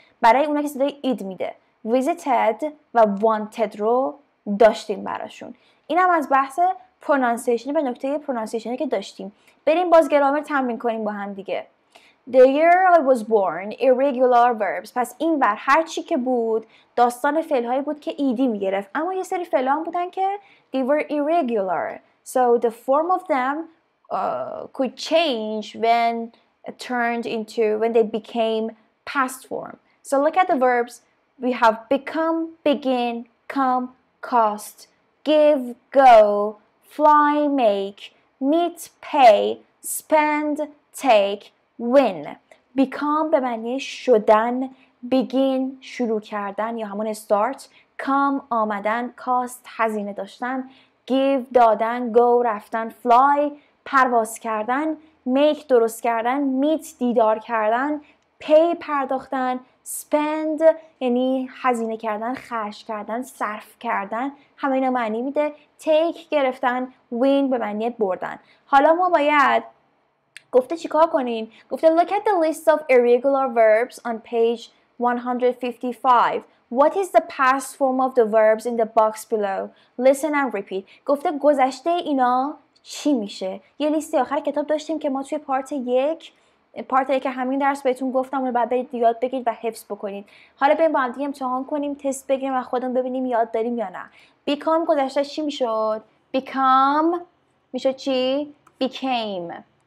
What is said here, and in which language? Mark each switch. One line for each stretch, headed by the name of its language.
Persian: برای اونا که صدای اید میده. Visited و wanted رو داشتیم براشون. اینم از بحث پرونانسیشن به نکته پرونانسیشنی که داشتیم. بریم باز گرامر تمرین کنیم با هم دیگه.
English: The year I was born, irregular verbs.
Persian: پس این بر هر چی که بود داستان فعل‌هایی بود که ایدی می‌گرفت. اما یه سری فعل هم بودن که
English: they were irregular. So the form of them could change when turned into, when they became past form. So look at the verbs. We have become, begin, come, cost, give, go, fly, make, meet, pay, spend, take, win.
Persian: Become به معنی شدن, begin, شروع کردن یا همون start, come, آمدن, cost, هزینه داشتن, give, دادن, go, رفتن, fly, پرواز کردن, make, درست کردن, meet, دیدار کردن, pay, پرداختن, spend یعنی هزینه کردن، خرج کردن، صرف کردن، همه اینا معنی میده. take گرفتن، win به معنی بردن. حالا ما باید گفته چیکار کنیم؟ گفته
English: look at the list of irregular verbs on page 155. What is the past form of the verbs in the box below? Listen and repeat.
Persian: گفته گذشته اینا چی میشه؟ یه لیستی آخر کتاب داشتیم که ما توی پارت یک که همین درس بهتون گفتم رو بعد برید یاد بگیرید و حفظ بکنید. حالا بریم با هم دیگه امتحان کنیم، تست بگیریم و خودمون ببینیم یاد داریم یا نه. become گذشته چی میشد؟ become میشد چی؟ became.